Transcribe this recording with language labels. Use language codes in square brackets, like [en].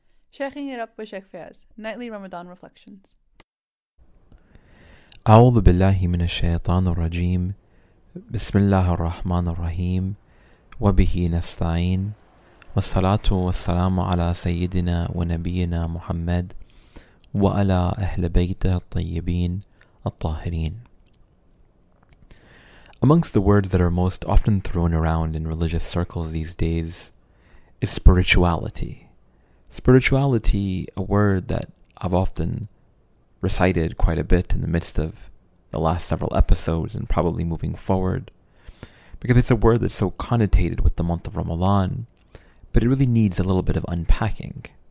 [en] Checking it up with Sheikh Fayaz, Nightly Ramadan Reflections. [ar] أعوذ بالله من الشيطان الرجيم بسم الله الرحمن الرحيم وبه نستعين والصلاة والسلام على سيدنا ونبينا محمد وعلى أهل بيته الطيبين الطاهرين. [en] Amongst the words that are most often thrown around in religious circles these days is spirituality. Spirituality, a word that I've often recited quite a bit in the midst of the last several episodes and probably moving forward, because it's a word that's so connotated with the month of Ramadan, but it really needs a little bit of unpacking.